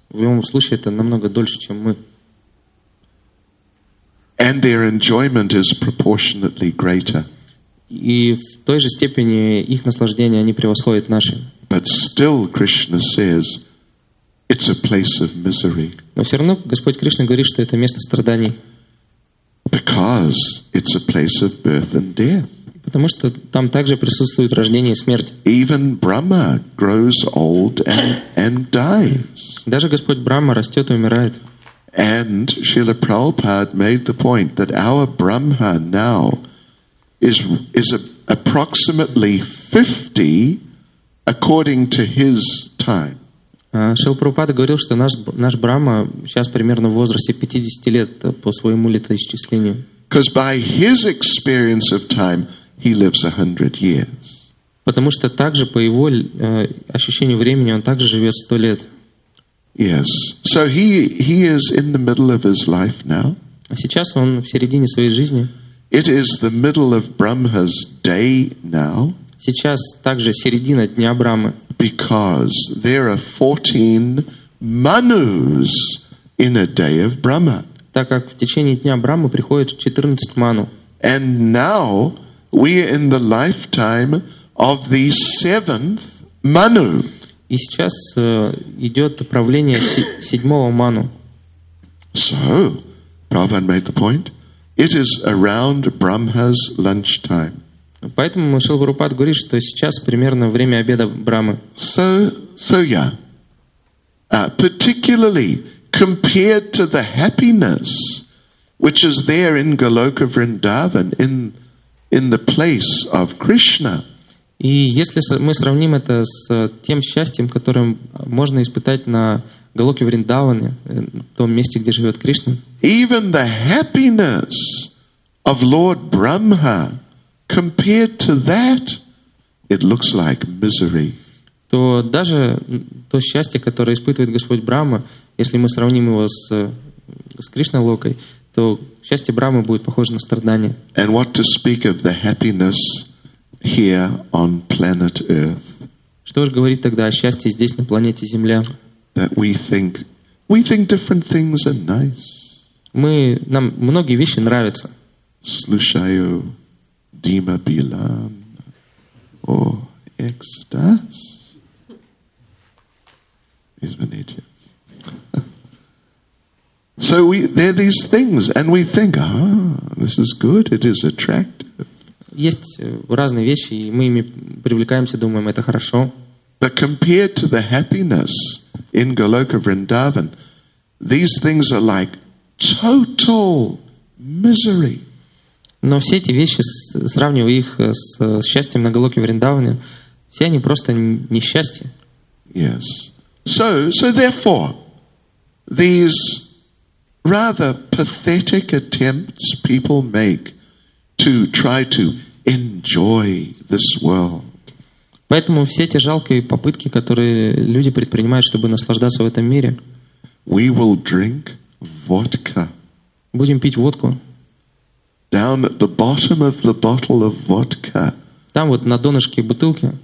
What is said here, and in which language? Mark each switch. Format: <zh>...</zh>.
<ru>В любом случае, это намного дольше, чем мы.</ru> <en>And their enjoyment is proportionately greater.</en> <ru>И в той же степени их наслаждение они превосходят наши.</ru> <en>But still Krishna says it's a place of misery.</en> <ru>Но все равно Господь Кришна говорит, что это место страданий.</ru> <en>Because it's a place of birth and death.</en> <ru>Потому что там также присутствует рождение и смерть.</ru> <en>Even Brahma grows old and dies.</en> <ru>Даже Господь Брахма растет и умирает.</ru> <en>And Srila Prabhupada made the point that our Brahma now is approximately 50 according to his time.</en> <ru>Шрила Прабхупада говорил, что наш Брахма сейчас примерно в возрасте 50 лет по своему летоисчислению.</ru> <en>Because by his experience of time, he lives 100 years.</en> <ru>Потому что также по его ощущению времени он также живет 100 лет.</ru> <en>Yes. So he is in the middle of his life now.</en> <ru>А сейчас он в середине своей жизни.</ru> <en>It is the middle of Brahma's day now.</en> <ru>Сейчас также середина дня Брахмы.</ru> <en>Because there are 14 manus in a day of Brahma.</en> <ru>Так как в течение дня Брахмы приходит 14 ману.</ru> <en>And now we are in the lifetime of the 7th manu.</en> <ru>И сейчас идет правление седьмого ману.</ru> <en>So, Prabhupada made the point. It is around Brahma's lunchtime.</en> <ru>Поэтому Шрила Прабхупада говорит, что сейчас примерно время обеда Брахмы.</ru> <en>So, yeah. Particularly compared to the happiness which is there in Goloka Vrindavan in the place of Krishna.</en> <ru>И если мы сравним это с тем счастьем, которое можно испытать на Голоке Вриндаване, в том месте, где живет Кришна.</ru> <en>Even the happiness of Lord Brahma compared to that, it looks like misery.</en> <ru>То даже то счастье, которое испытывает Господь Брахма, если мы сравним его с Кришналокой, то счастье Брахмы будет похоже на страдание.</ru> <en>And what to speak of the happiness here on planet Earth.</en> <ru>Что же говорить тогда о счастье здесь на планете Земля?</ru> <en>That we think different things are nice.</en> <ru>Мы нам многие вещи нравятся. Слушаю Дима Билан. О, экстаз. Извините.</ru> <en>So there are these things and we think, this is good, it is attractive.</en> <ru>Есть разные вещи, и мы ими привлекаемся, думаем, это хорошо.</ru> <en>But compared to the happiness in Goloka Vrindavan, these things are like total misery.</en> <ru>Но все эти вещи, сравнивая их с счастьем на Голоке Вриндаване, все они просто несчастье.</ru> <en>Yes. So therefore, these rather pathetic attempts people make to try to enjoy this world.</en> <ru>Поэтому все эти жалкие попытки, которые люди предпринимают, чтобы наслаждаться в этом мире.</ru> <en>We will drink vodka.</en> <ru>Будем пить водку.</ru> <en>Down at the bottom of the bottle of vodka.</en> <ru>Там вот на донышке бутылки.</ru>